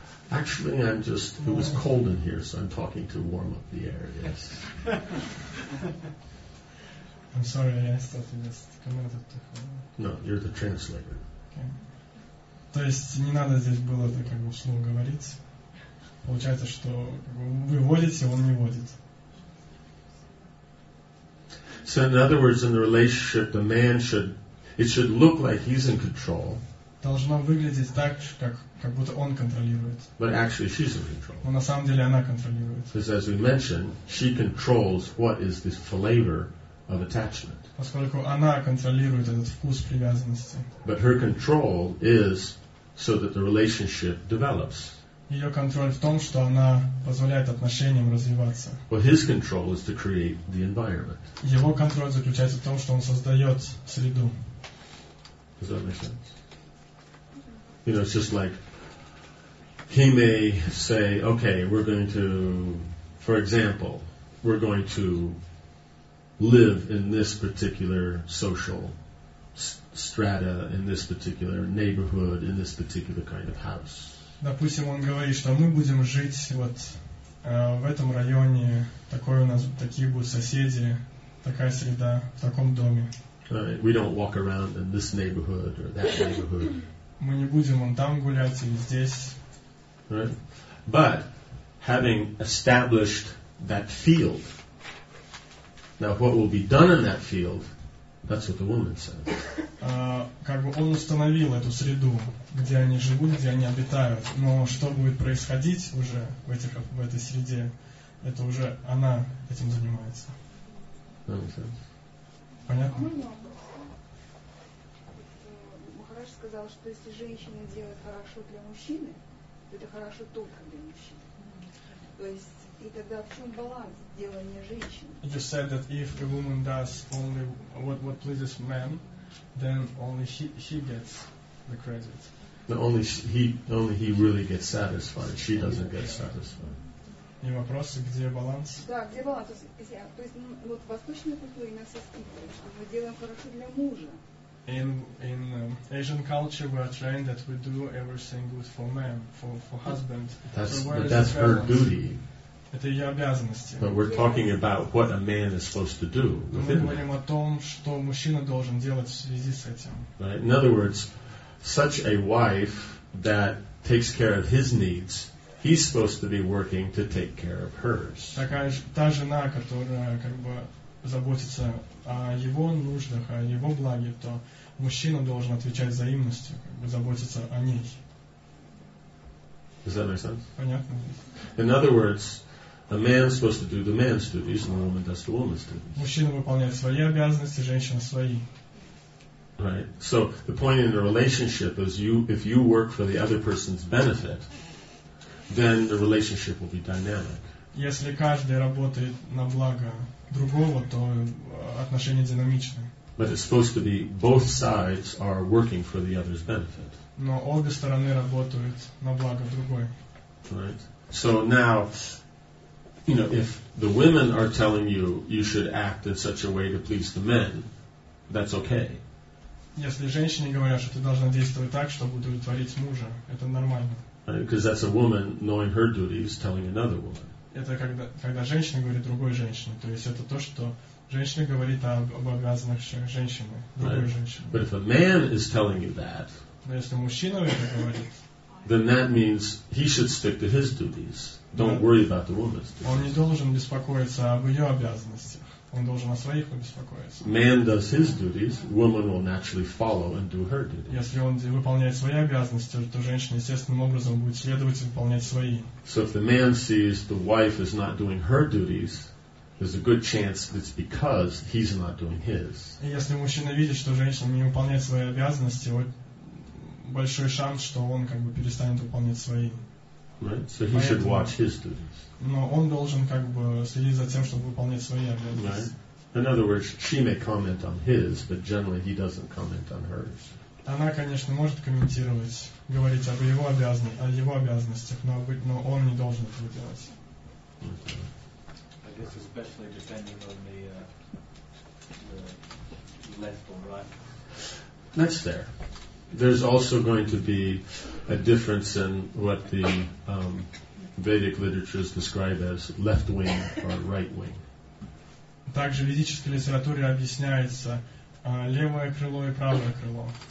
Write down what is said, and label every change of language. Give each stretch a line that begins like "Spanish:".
English: Actually, I'm just, it was cold in here, so I'm talking to warm up the air, yes. I'm sorry, I thought you just commented to her. No, you're the translator. Okay.
Russian: То есть, не надо здесь было так как бы вслух говорить. Получается, что вы водите, он не водит.
English: So, in other words, in the relationship, the man should, it should look like he's in control.
Russian: Должно выглядеть так, как будто он контролирует.
English: But actually she's in control.
Russian: Но на самом деле она контролирует.
English: Because as we mentioned, she controls what is this flavor of attachment.
Russian: Поскольку она контролирует этот вкус привязанности.
English: But her control is so that the relationship develops.
Russian: Ее контроль в том, что она позволяет отношениям развиваться.
English: Well, his control is to create the environment.
Russian: Его контроль заключается в том, что он создает среду.
English: Does that make sense? You know, it's just like he may say, okay, we're going to, for example, we're going to live in this particular social strata in this particular neighborhood, in this particular kind of house.
Russian: Допустим, он говорит, что мы будем жить вот в этом районе, такой у нас, такие будут соседи, такая среда, в таком доме.
English: Right. We don't walk around in this neighborhood or that neighborhood.
Russian: Мы не будем вон там гулять или здесь.
English: Right. But having established that field, now what will be done in that field, that's what the woman said.
Russian: Как бы он установил эту среду, где они живут, где они обитают. Но что будет происходить уже в этих, в этой среде, это уже она этим занимается. Понятно? Махараш сказал, что если женщина делает хорошо для мужчины, то это хорошо только для мужчины. То есть, и тогда в чем баланс делания женщины?
English: You said that if a woman does only what pleases men, then only she gets the credit. Only he really gets satisfied. She doesn't get satisfied.
Russian: И вопросы, где баланс? Да, где баланс? То есть, вот в восточной культуре нас воспитывают, что мы делаем хорошо для мужа.
English: In Asian culture, we are trained that we do everything good for man, for husband. That's her duty.
Russian: Это ее обязанности.
English: But we're talking about what a man is supposed to do.
Russian: Мы говорим о том, что мужчина должен делать в связи с этим.
English: Right? In other words, such a wife that takes care of his needs, he's supposed to be working to take care of hers.
Russian: Такая та жена, которая как бы заботится о его нуждах, о его благе, то мужчина должен отвечать взаимностью, как бы заботиться о ней.
English: Does that make sense?
Russian: Понятно.
English: In other words, a man's supposed to do the man's duties, and a woman does the woman's duties.
Russian: Мужчина выполняет свои обязанности, женщина свои.
English: Right. So the point in the relationship is you, if you work for the other person's benefit, then the relationship will be dynamic.
Russian: Если каждый работает на благо другого, то отношения динамичны.
English: But it's supposed to be both sides are working for the other's benefit.
Russian: Но обе стороны работают на благо другой.
English: Right. So now, you know, if the women are telling you you should act in such a way to please the men, that's okay.
Russian: Если женщине говорят, что ты должна действовать так, чтобы удовлетворить мужа, это нормально.
English: Because that's a woman knowing her duties, telling another woman.
Russian: Это когда женщина говорит другой женщине, то есть это то, что женщина говорит об обязанностях женщины другой женщине.
English: But if a man is telling you that,
Russian: но если мужчина это говорит,
English: then that means he should stick to his duties. Don't worry about the woman's duties.
Russian: Он не должен беспокоиться об ее обязанностях. Он должен о своих беспокоиться.
English: Man does his duties, woman will naturally follow and do her duties.
Russian: Если он выполняет свои обязанности, то женщина естественным образом будет следовать и выполнять свои.
English: So if the man sees the wife is not doing her duties, there's a good chance it's because he's not doing his.
Russian: Если мужчина видит, что женщина не выполняет свои обязанности, вот большой шанс, что он как бы перестанет выполнять свои.
English: Right? So he should watch his duties.
Russian: Но он должен как бы следить за тем, чтобы выполнять свои обязанности.
English: Right. In other words, she may comment on his, but generally he doesn't comment on hers.
Russian: Она, конечно, может комментировать, говорить об его обязанностях, но он не должен этого делать.
English: I guess especially depending on the left or right. That's fair. There's also going to be a difference in what the Vedic literatures describe as left wing or right wing.
Russian: Также в ведической литературе объясняется левое крыло и правое крыло.